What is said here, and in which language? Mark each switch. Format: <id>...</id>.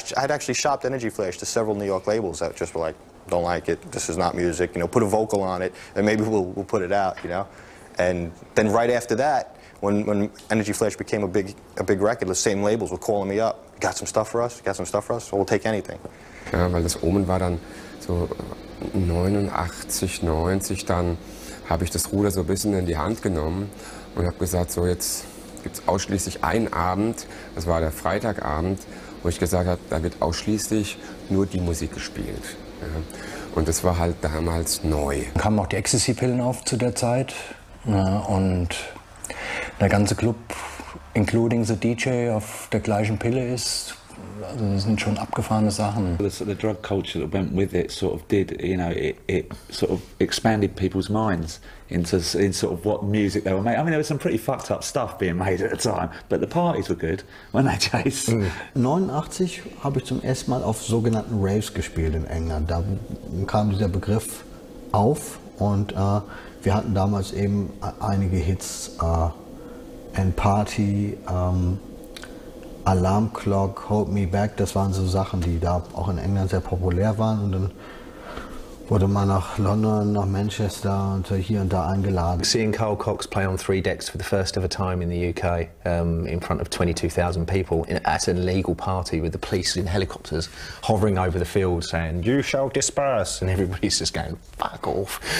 <en>I had actually shopped Energy Flash to several New York labels that just were like, don't like it, this is not music, you know, put a vocal on it and maybe we'll put it out, you know. And then right after that, When Energy Flash became a big record, the same labels were calling me up. Got some stuff for us? Got some stuff for us? We'll take anything.</en> <de>Ja, weil das Omen war dann so 89, 90, dann habe ich das Ruder so ein bisschen in die Hand genommen und habe gesagt, so jetzt gibt's ausschließlich einen Abend, das war der Freitagabend, wo ich gesagt habe, da wird ausschließlich nur die Musik gespielt. Ja. Und das war halt damals neu. Dann kamen auch die Ecstasy-Pillen auf zu der Zeit, ja, und der ganze Club,</de> <en>including the DJ,</en> <de>auf der gleichen Pille ist. Also das sind schon abgefahrene Sachen.</de> <en>The drug culture that went with it sort of did, you know, it sort of expanded people's minds in sort of what music they were making. I mean, there was some pretty fucked up stuff being made at the time, but the parties were good, weren't they, Chase?</en> <de>1989 habe ich zum ersten Mal auf sogenannten Raves gespielt in England. Da kam dieser Begriff auf und wir hatten damals eben einige Hits, And Party, Alarm Clock, Hold Me Back, das waren so Sachen, die da auch in England sehr populär waren. Und dann wurde man nach London, nach Manchester und so hier und da eingeladen.</de> <en>Seeing Carl Cox play on three decks for the first ever time in the UK, in front of 22,000 people at an illegal party with the police in helicopters hovering over the field saying, you shall disperse. And everybody's just going, fuck off.</en>